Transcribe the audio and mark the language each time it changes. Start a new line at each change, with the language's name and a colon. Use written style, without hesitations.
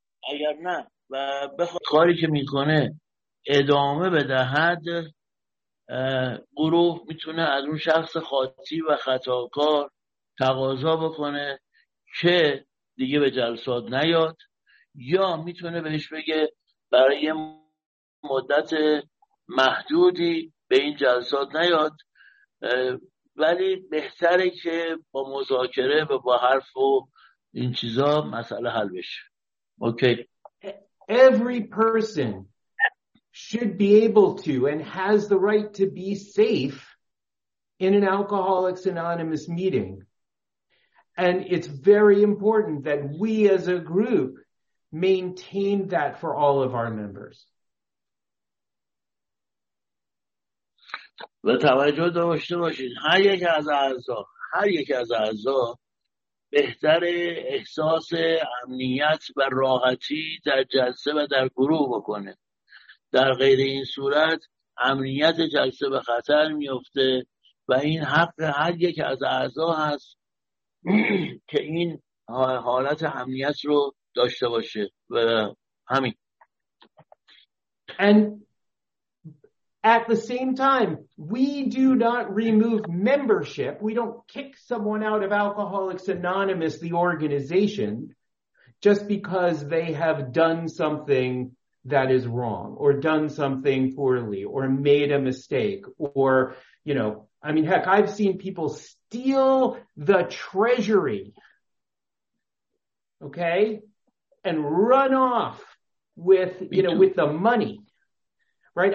Persian: اگر نه و بخواد کاری که میکنه ادامه بدهد، گروه میتونه از اون شخص خاطی و خطاکار تقاضا بکنه که دیگه به جلسات نیاد، یا میتونه بهش بگه برای یه مدت محدودی به این جلسات نیاد، ولی بهتره که با مذاکره و با حرف و این چیزا مسئله حل بشه. اوکی.
English: Every person should be able to and has the right to be safe in an Alcoholics Anonymous meeting. And it's very important that we as a group maintain that for all of our members.
Persian: و توجه داشته باشید هر یک از اعضا بهتر احساس امنیت و راحتی در جلسه و در گروه بکنه. در غیر این صورت امنیت جلسه به خطر میفته و این حق هر یک از اعضا هست که این حالت امنیت رو داشته باشه. و همین.
English: And at the same time, we do not remove membership. We don't kick someone out of Alcoholics Anonymous, the organization, just because they have done something that is wrong or done something poorly or made a mistake or, you know, I mean, heck, I've seen people steal the treasury, okay, and run off with, you know, with the money. Right.